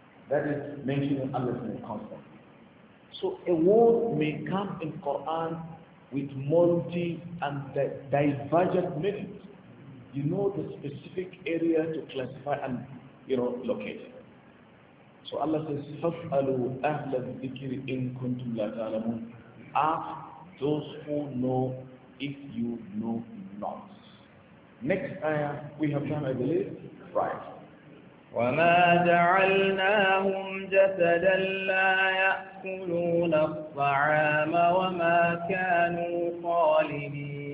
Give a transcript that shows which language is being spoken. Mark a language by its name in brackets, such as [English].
[English] That is mentioned in Allah's name constantly. So a word may come in Quran with multi and divergent meanings. You know the specific area to classify and, you know, locate. So Allah says, [Arabic] فَاسْأَلُوا أَهْلَ الذِّكْرِ إِن كُنْتُمْ لَا تَعْلَمُونَ. [English] Ask those who know if you know not. Next ayah, we have time, I believe. Right. [Arabic] وَمَا جَعَلْنَاهُمْ جَسَدًا لَا يَأْكُلُونَ الطَّعَامَ وَمَا كَانُوا خَالِدِينَ.